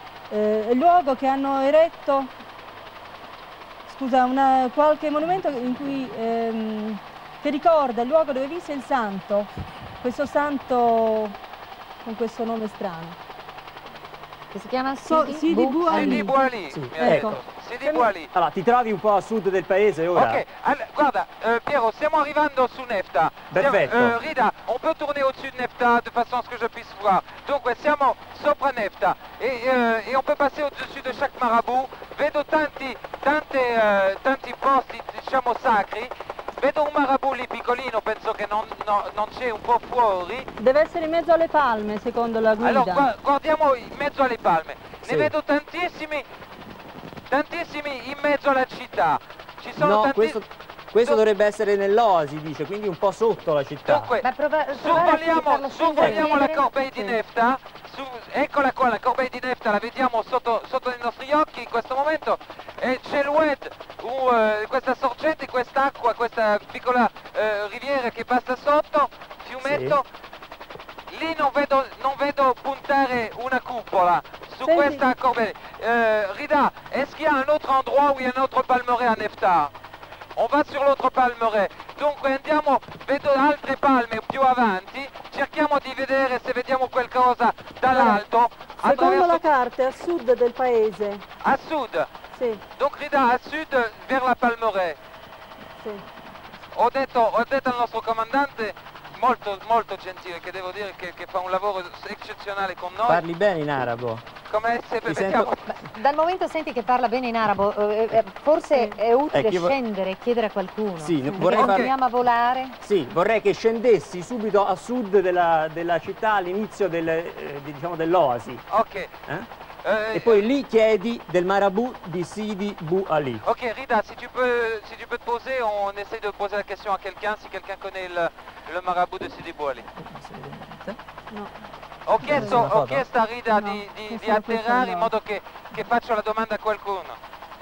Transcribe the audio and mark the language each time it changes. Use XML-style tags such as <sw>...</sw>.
<it>il luogo che hanno eretto, scusa, una, qualche monumento in cui che ricorda il luogo dove visse il santo, questo santo con questo nome strano che si chiama Sidi Boualid. Sidi Boualid, sì, ecco. Sidi Boualid. Allora ti trovi un po' a sud del paese ora. Ok, allora, guarda Piero, stiamo arrivando su Nefta. Perfetto.</it> <fr>Rida, on peut tourner au-dessus de Nefta de façon à ce que je puisse voir.</fr> <it>Dunque siamo sopra Nefta e</it> <fr>on peut passer au-dessus de chaque marabout.</fr> <it>Vedo tanti posti, diciamo, sacri. Vedo un marabout lì piccolino, penso che non c'è, un po' fuori. Deve essere in mezzo alle palme, secondo la guida. Allora, guardiamo in mezzo alle palme. Sì. Ne vedo tantissimi, tantissimi in mezzo alla città. Ci sono tanti... questo dovrebbe essere nell'oasi, dice, quindi un po' sotto la città. Dunque, sorvoliamo la Corbeille di Nefta. su, eccola qua, la Corbeil di Nefta, la vediamo sotto i nostri occhi in questo momento, e c'è l'Oued, questa sorgente, quest'acqua, questa piccola riviera che passa sotto, fiumetto, sì. Lì non vedo puntare una cupola su, senti, questa Corbeil.</it> <fr>Rida, est-ce qu'il y a un autre endroit où il y a un autre palmeraie à Nefta? On va sur l'autre palmeraie.</fr> <it>Dunque andiamo, vedo altre palme più avanti, cerchiamo di vedere se vediamo qualcosa dall'alto. Secondo la carta, a sud del paese. A sud? Sì. Dunque Rida, a sud,</it> <fr>vers la palmeraie.</fr> <it>Sì. Ho detto al nostro comandante, molto, molto gentile, che devo dire che fa un lavoro eccezionale con noi. Parli bene in arabo. Come se sento... Dal momento senti che parla bene in arabo, forse è utile scendere e chiedere a qualcuno. Sì, vorrei andiamo a volare? Sì, vorrei che scendessi subito a sud della città, all'inizio dell'oasi. Ok. E poi lì chiedi del marabù di Sidi Bou Ali.</it> <fr>Ok, Rida, se tu peux te poser, on essaie de poser la question a quelqu'un, si quelqu'un connaît le marabù di Sidi Bou Ali.</fr> <it>No. Ho chiesto a Rida di atterrare in modo che faccio la domanda a qualcuno.</it>